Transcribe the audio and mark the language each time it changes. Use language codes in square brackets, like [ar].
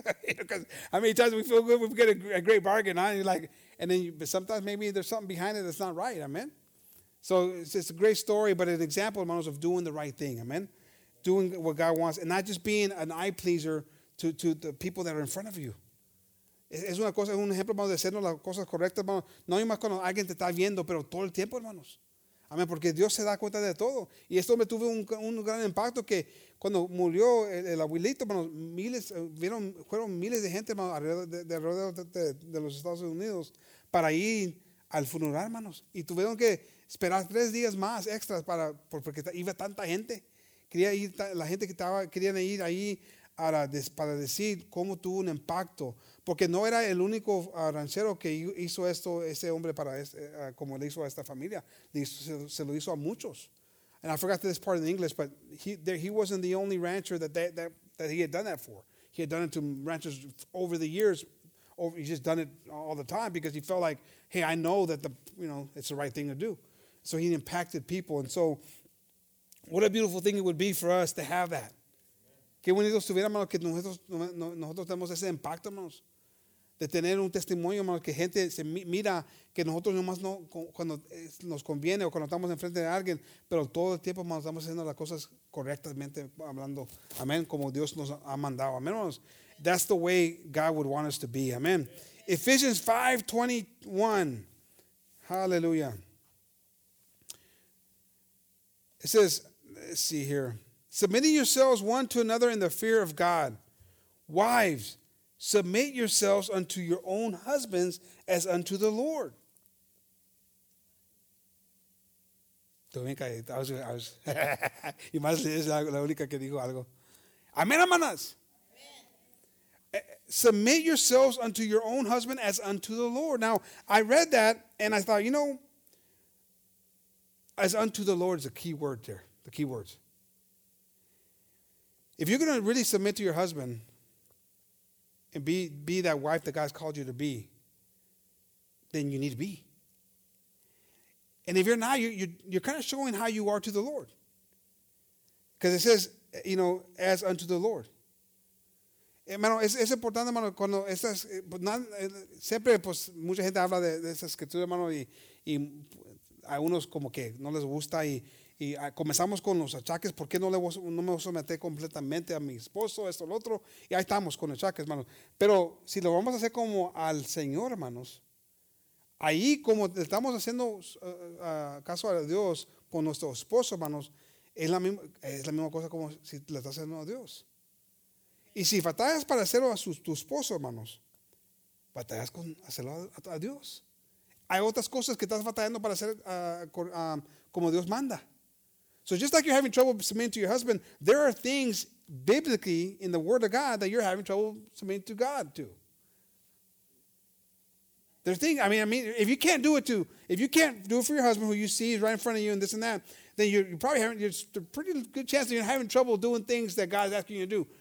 [en] Because how many times we feel good, we get a great bargain. Huh? But sometimes maybe there's something behind it that's not right. Amen. So it's a great story, but an example, hermanos, of doing the right thing. Amen. doing what God wants and not just being an eye pleaser to the people that are in front of you. [es] Es una cosa, es un ejemplo, hermano, de hacernos las cosas correctas, hermano. No hay más cuando alguien te está viendo, pero todo el tiempo, hermanos. Amén, porque Dios se da cuenta de todo. Y esto me tuvo un gran impacto que cuando murió el abuelito, hermano, fueron miles de gente, hermano, alrededor de los Estados Unidos para ir al funeral, hermanos. Y tuvieron que esperar 3 días más extras porque iba tanta gente. Quería ir, la gente que estaba, querían ir ahí para decir cómo tuvo un impacto. Porque no era el único ranchero que hizo esto, ese hombre, como le hizo a esta familia. Se lo hizo a muchos. [en] And I forgot this part in English, but he wasn't the only rancher that he had done that for. He had done it to ranchers over the years. He just done it all the time because he felt like, hey, I know that it's the right thing to do. So he impacted people. And so what a beautiful thing it would be for us to have that. [es] Qué bonito estuviera, hermano, que nosotros tenemos ese impacto, hermanos, de tener un testimonio, hermano, que gente se mira que nosotros nomás no, cuando nos conviene o cuando estamos enfrente de alguien, pero todo el tiempo, hermano, estamos haciendo las cosas correctamente, hablando, amén, como Dios nos ha mandado, amén, hermanos. [en] That's the way God would want us to be, amén. Ephesians 5:21, hallelujah. It says, let's see here. Submitting yourselves one to another in the fear of God. Wives, submit yourselves unto your own husbands as unto the Lord. Amen, hermanas. Submit yourselves unto your own husband as unto the Lord. Now, I read that and I thought, as unto the Lord is a key word there, the key words. If you're going to really submit to your husband and be that wife that God's called you to be, then you need to be. And if you're not, you're kind of showing how you are to the Lord. Because it says, as unto the Lord. [es] Hermano, es importante, hermano, cuando estas, siempre, pues, mucha gente habla de esas escrituras, hermano, y a unos como que no les gusta y comenzamos con los achaques, ¿por qué no me voy a someter completamente a mi esposo, esto, lo otro? Y ahí estamos con achaques, hermanos. Pero si lo vamos a hacer como al Señor, hermanos, ahí como estamos haciendo caso a Dios con nuestro esposo, hermanos, es la misma cosa como si le estás haciendo a Dios. Y si batallas para hacerlo a tu esposo, hermanos, batallas con hacerlo a Dios. Hay otras cosas que estás batallando para hacer como Dios manda. [en] So just like you're having trouble submitting to your husband, there are things biblically in the Word of God that you're having trouble submitting to God to. There are things, if you can't do it for your husband who you see is right in front of you and this and that, then there's a pretty good chance that you're having trouble doing things that God is asking you to do.